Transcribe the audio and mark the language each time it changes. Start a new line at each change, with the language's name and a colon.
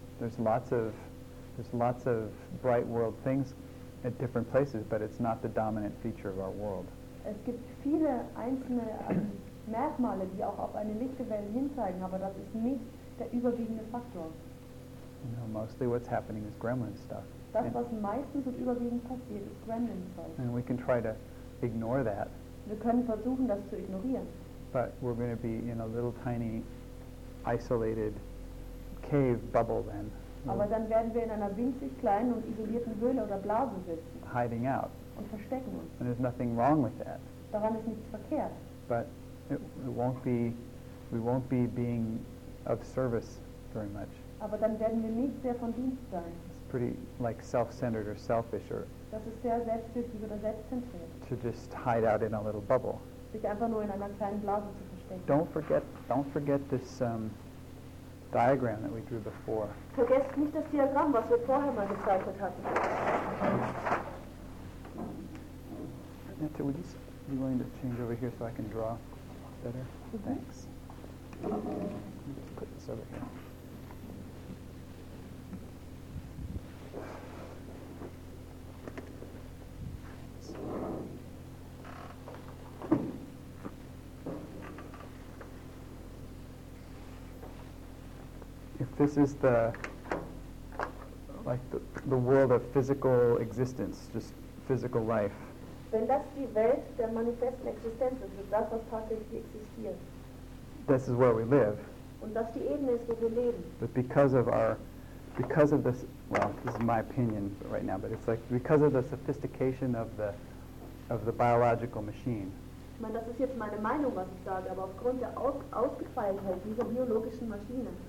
English: There's lots of bright world things at different places, but it's not the dominant feature of our world.
German: Es gibt viele einzelne Merkmale, die auch auf eine lichte Welt hinzeigen, aber das ist nicht der überwiegende Faktor.
English: No, mostly what's happening is gremlin stuff.
German: Das, was meistens und überwiegend passiert, ist
English: gremlin stuff. And we can try to ignore that.
German: Wir können versuchen, das zu ignorieren.
English: But we're going to be in a little tiny, isolated cave bubble then.
German: Aber dann werden wir in einer winzig kleinen und isolierten Höhle oder Blase sitzen.
English: Hiding out.
German: Und verstecken uns.
English: And there's nothing wrong with that.
German: Daran ist nichts verkehrt.
English: But we won't be being of service very much.
German: Aber dann werden wir nicht sehr von Dienst sein.
English: It's pretty like self-centered or selfish or...
German: Das ist sehr selbstsüchtig oder selbstzentriert.
English: To just hide out in a little bubble.
German: Sich einfach nur in einer kleinen Blase zu verstecken.
English: Don't forget this... diagram that we drew before.
German: Vergesst nicht das Diagramm, was wir vorher mal gezeichnet hatten.
English: Annette, would you be willing to change over here so I can draw better? Mm-hmm. Thanks. Let's put this over here. This is the like the world of physical existence, just physical life.
German: Wenn das die Welt der manifesten Existenz ist, ist das, was tatsächlich existiert.
English: This is where we live.
German: Und das die Ebene ist, wo wir leben.
English: But because of this, well, this is my opinion right now, but it's like because of the sophistication of the biological machine.
German: Ich meine, das ist jetzt meine Meinung, was ich sage, aber aufgrund der Ausgefeiltheit dieser biologischen Maschine.